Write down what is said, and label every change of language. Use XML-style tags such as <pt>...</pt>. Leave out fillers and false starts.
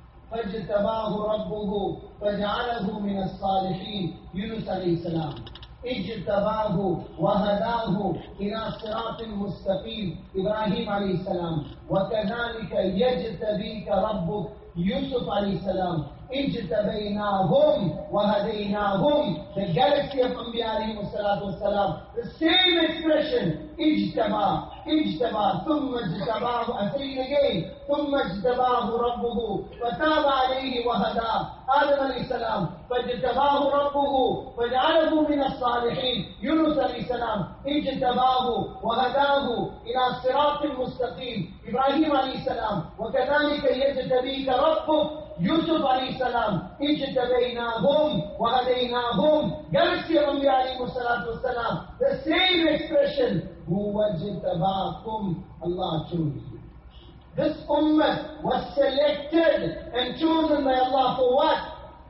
<ar>فَجْتَبَاهُ رَبُّهُ فَجْعَلَهُ مِنَ الصَّالِحِينَ Yunus a.s. اِجْتَبَاهُ وَهَدَاهُ إِلَى صِرَاطٍ مُسْتَقِيمٍ Ibrahim a.s. وَكَذَلِكَ يَجْتَبِيكَ رَبُّكَ Yusuf a.s. اِجْتَبَيْنَاهُمْ وَهَدَيْنَاهُمْ</ar> <en>The galaxy of Anbiya a.s. The same expression,</en> <ar>اِجْتَبَى اِجْتَبَى ثُمَّ اجْتَبَاهُ</ar> <en>I say it again,</en> <ar>ثُمَّ اجْتَبَاهُ رَبُّهُ فَتَابَ عَلَيْهِ وَهَدَى Adam a.s. فَاجْتَبَاهُ رَبُّهُ فَجْعَلَهُ مِنَ الصَّالِحِينَ Yunus a.s. اِجْتَبَاهُ وَهَدَاهُ إِلَى صِرَاطٍ مُسْتَقِيمٍ Ibrahim a.s. وَكَذَلِكَ يَجْتَبِيكَ رَبُّكَ</ar> <en>Yusuf alayhi salam,</en> <ar>ijtabaynahum wa hadaynahum,</ar> <en>galaxy of Anbiya alayhi salatu wasalam, the same expression, huwajtabakum, Allah chose you. This ummah was selected and chosen by Allah for what?</en>